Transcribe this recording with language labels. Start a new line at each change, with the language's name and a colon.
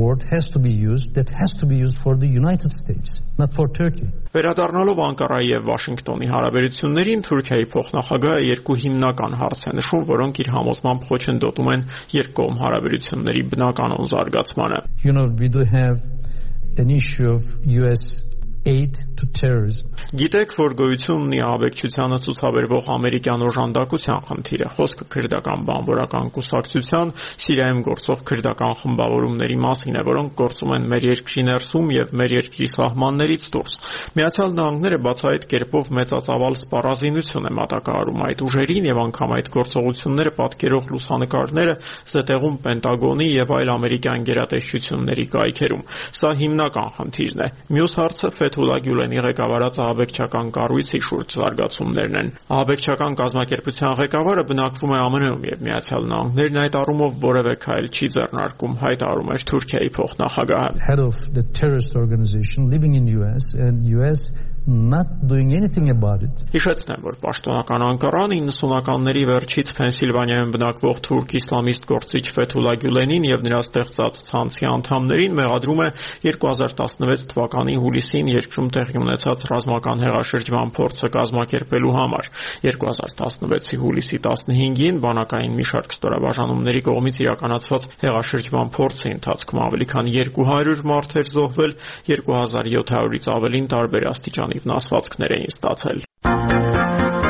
English: Has to be used, that has to be used for the United States, not for Turkey.
Armenian: Վերադառնալով Անկարայի եւ Վաշինգտոնի հարաբերություններին, Թուրքիայի փոխնախագահը երկու հիմնական հարց է նշում, որոնք իր համոզմամբ խոչընդոտում են երկկողմ հարաբերությունների բնականոն զարգացմանը.
English: You know, we do have an issue of US aid to terrorism.
Armenian: Գիտեք, որ գոյություն ունի ավեկչությանը ցուցաբերող ամերիկյան օժանդակության խնդիրը, խոսքը քրդական բանվորական կուսակցության Սիրիայում գործող քրդական խմբավորումների մասին է, որոնք գործում են մեր երկրի ներսում եւ մեր երկրի սահմաններից դուրս։ Միացյալ Նահանգները բացահայտ կերպով մեծածավալ սպառազինություն է մատակարարում այդ ուժերին եւ անգամ այդ գործողությունները պատկերող լուսանկարները ստեղում Պենտագոնի եւ այլ ամերիկյան գերատեսչությունների կայքերում։ Սա հիմնական խնդիրն է։ Մյուս հարցը Ֆեթուլլահ Գյուլենի ղեկավարած ավեկչական կառույցի շուրջ զարգացումներն են։ Ավեկչական կազմակերպության ղեկավարը բնակվում է ԱՄՆ-ում եւ Միացյալ Նահանգներն այդ առումով որևէ քայլ չի ձեռնարկում, հայտարարում է Թուրքիայի փոխնախագահը։
English: Head of the terrorist organization living in US and US not doing anything about it.
Armenian: Հիշեցնեմ, որ պաշտոնական Անկարան 90-ականների վերջից Փենսիլվանիայում բնակվող թուրք իսլամիստ գործիչ Ֆեթուլլահ Գյուլենին եւ նրա ստեղծած ցանցի անդամներին մեղադրում է 2016 թվականի հուլիսին երկրում տեղի ունեցած ռազմական հեղաշրջման փորձը կազմակերպելու համար։ 2016-ի հուլիսի 15-ին բանակային մի շարք ստորաբաժանումների կողմից իրականացված հեղաշրջման փորձի ընթացքում ավելի քան 200 մարդ էր զոհվել, 2700-ից ավելին տարբեր աստիճանների ջանիվ նասվածքներ էին ստացել։